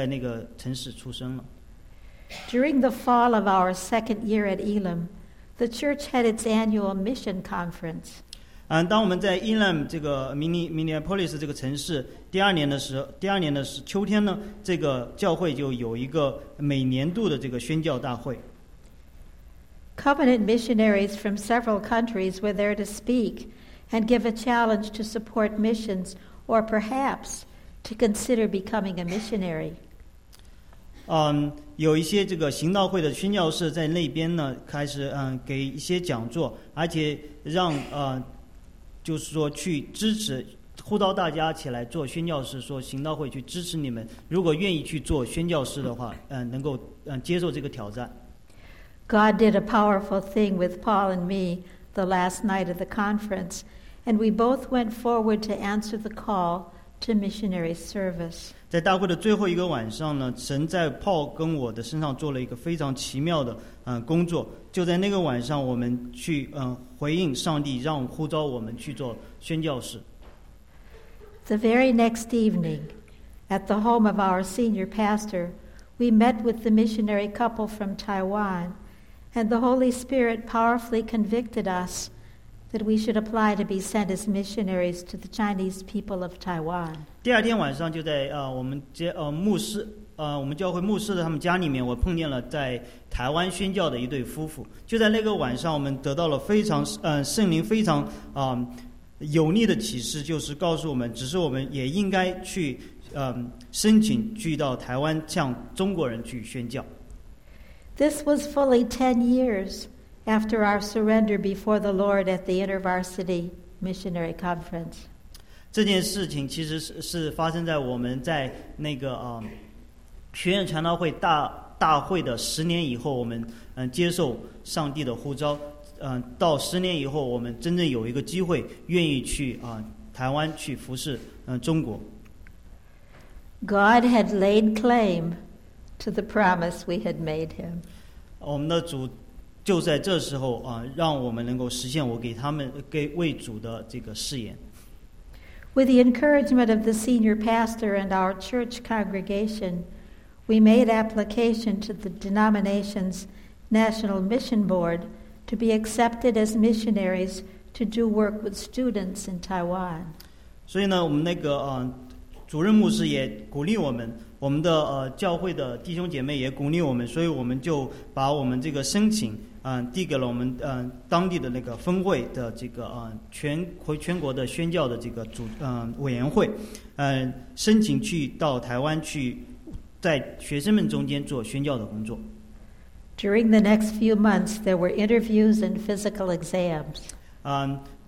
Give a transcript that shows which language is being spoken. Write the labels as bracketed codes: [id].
[zh] 他在那个地方呢服侍了2年，我们的第二个孩子也是个女儿，就在那个城市出生了。 [en] During the fall of our second year at Elam, the church had its annual mission conference. [zh] 当我们在Elam这个Minneapolis这个城市第二年的秋天呢，这个教会就有一个每年度的这个宣教大会。 [en] Covenant missionaries from several countries were there to speak and give a challenge to support missions or perhaps to consider becoming a missionary. [zh] 有一些这个行道会的宣教士在那边呢，开始给一些讲座，而且让就是说去支持，呼召大家起来做宣教士，说行道会去支持你们，如果愿意去做宣教士的话，能够接受这个挑战。 [en] God did a powerful thing with Paul and me the last night of the conference, and we both went forward to answer the call to missionary service. [zh] 在大会的最后一个晚上呢，神在 Paul 跟我的身上做了一个非常奇妙的工作。就在那个晚上，我们去回应上帝让呼召我们去做宣教士。 [en] The very next evening, at the home of our senior pastor, we met with the missionary couple from Taiwan. And the Holy Spirit powerfully convicted us that we should apply to be sent as missionaries to the Chinese people of Taiwan. [zh] 第二天晚上就在我们接牧师我们教会牧师的他们家里面，我碰见了在台湾宣教的一对夫妇。就在那个晚上，我们得到了非常圣灵非常有力的启示，就是告诉我们，只是我们也应该去申请去到台湾向中国人去宣教。 [en] This was fully 10 years after our surrender before the Lord at the InterVarsity Missionary Conference. [zh] 这件事情其实 是发生在我们在那个学院传道会大会的十年以后，我们接受上帝的呼召，到十年以后，我们真正有一个机会愿意去台湾去服侍中国。 [en] God had laid claim. To the promise we had made him. [zh] 我们的主就在这时候让我们能够实现我给他们给为主的这个誓言。 [en] With the encouragement of the senior pastor and our church congregation, we made application to the denomination's National Mission Board to be accepted as missionaries to do work with students in Taiwan. [zh] 所以呢，我们那个主任牧师也鼓励我们。我们的教会的弟兄姐妹也鼓励我们，所以我们就把我们这个申请递给了我们当地的那个分会的这个全国的宣教的这个组委员会，申请去到台湾去在学生们中间做宣教的工作。 [en] During the next few months, there were interviews and physical exams.